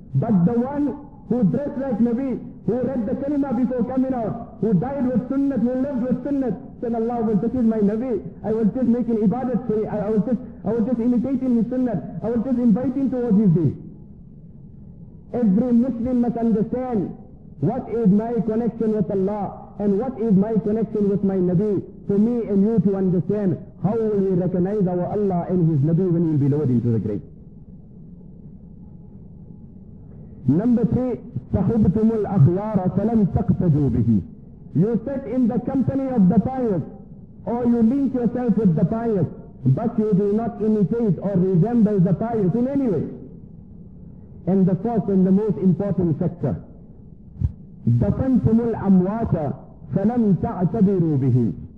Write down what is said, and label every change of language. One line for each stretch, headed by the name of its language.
English: But the one who dressed like Nabi, who read the kalima before coming out, who died with sunnah, who lived with sunnah, sallallahu alayhi wa sallam, this is my Nabi, I was just making ibadat for him, I was just imitating his sunnah, I was just inviting towards his day. Every Muslim must understand, what is my connection with Allah and what is my connection with my Nabi, for me and you to understand how will we recognize our Allah and his Nabi when we'll be lowered into the grave. Number three,
Arabic: تَحُبْتُمُ الْأَخْيَارَ فَلَمْ تَقْتَدُوا بِهِ.
English: You sit in the company of the pious, or you link yourself with the pious, but you do not imitate or resemble the pious in any way. And the fourth and the most important factor,
Arabic: دَفَنْتُمُ الْأَمْوَاتَ فَلَمْ تَعْتَبِرُوا بِهِ.